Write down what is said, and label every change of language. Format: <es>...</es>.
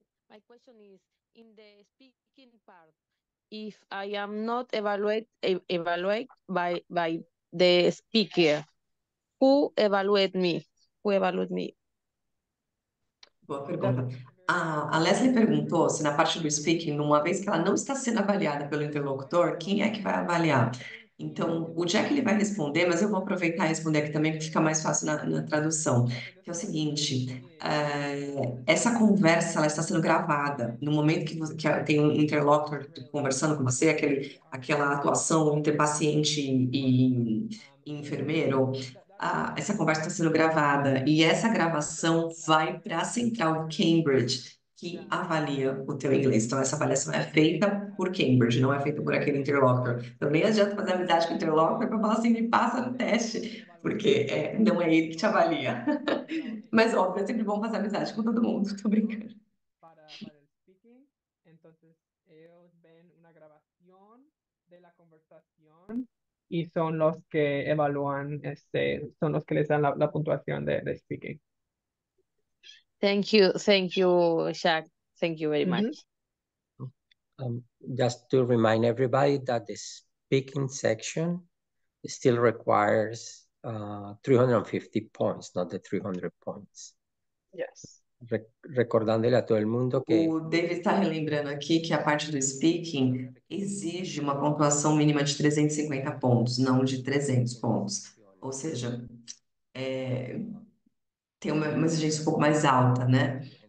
<en>My question is in the speaking part, if I am not evaluate by the speaker, who evaluate me? Who evaluate me?</en> <pt>Boa pergunta. A Leslie perguntou se na parte do speaking, uma vez que ela não está sendo avaliada pelo interlocutor, quem é que vai avaliar? Então, o Jack ele vai responder, mas eu vou aproveitar e responder aqui também, que fica mais fácil na tradução. Que é o seguinte: essa conversa ela está sendo gravada. No momento que você, que tem um interlocutor conversando com você, aquela atuação entre paciente e enfermeiro, essa conversa está sendo gravada. E essa gravação vai para a Central Cambridge, que avalia o teu inglês. Então, essa avaliação é feita por Cambridge, não é feita por aquele interlocutor. Também adianta fazer amizade com o interlocutor para falar assim, me passa no teste, porque não é ele que te avalia. Mas, óbvio, é sempre bom fazer amizade com todo mundo. Tô brincando.</pt> <es>Para el speaking, entonces ellos ven una grabación de la conversación y son los que evalúan, son los que les dan la puntuación de speaking.</es> <en>Thank you, Jack. Thank you very much. Just to remind everybody that the speaking section still requires 350 points, not the 300 points. Yes.</en> <pt>Recordando-lhe a todo mundo que... O David está relembrando aqui que a parte do speaking exige uma pontuação mínima de 350 pontos, não de 300 pontos. Ou seja, tem uma exigência um pouco mais alta, né?</pt>